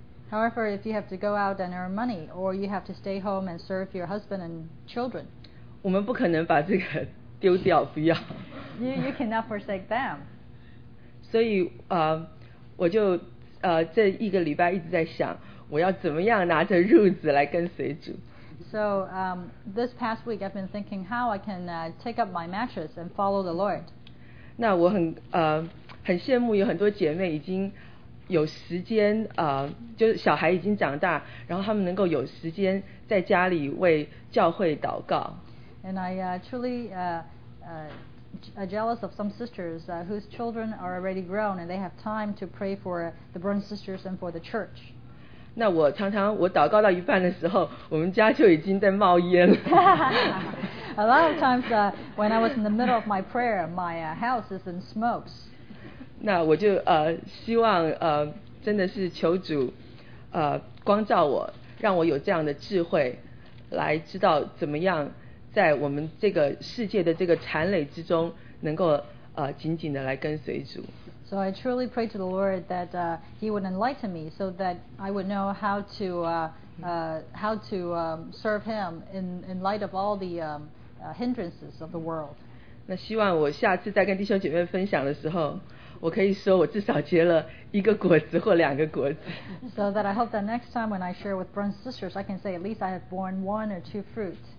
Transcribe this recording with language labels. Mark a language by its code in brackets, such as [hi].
[en] However, if you have to go out and earn money, or you have to stay home and serve your husband and children, [zh] 我们不可能把这个丢掉，不要。 [en] You cannot forsake them. [zh] 所以我就这一个礼拜一直在想，我要怎么样拿着褥子来跟随主。 [en] So this past week I've been thinking how I can take up my mattress and follow the Lord. [zh] 那我很羡慕有很多姐妹已经有时间就是小孩已经长大，然后他们能够有时间在家里为教会祷告。 [en] And I truly are jealous of some sisters whose children are already grown and they have time to pray for the grown sisters and for the church. [zh] 那我常常我祷告到一半的时候，我们家就已经在冒烟了。 [en] A lot of times when I was in the middle of my prayer, my house is in smokes. [zh] 那我就希望真的是求主光照我，让我有这样的智慧，来知道怎么样在我们这个世界的这个缠累之中，能够紧紧的来跟随主。 [en] So I truly pray to the Lord that He would enlighten me so that I would know how to serve Him in light of all the hindrances of the world. [zh] 那希望我下次再跟弟兄姐妹分享的时候，我可以说我至少结了一个果子或两个果子。 [en] So that I hope that next time when I share with brothers and sisters, I can say at least I have borne one or two fruit.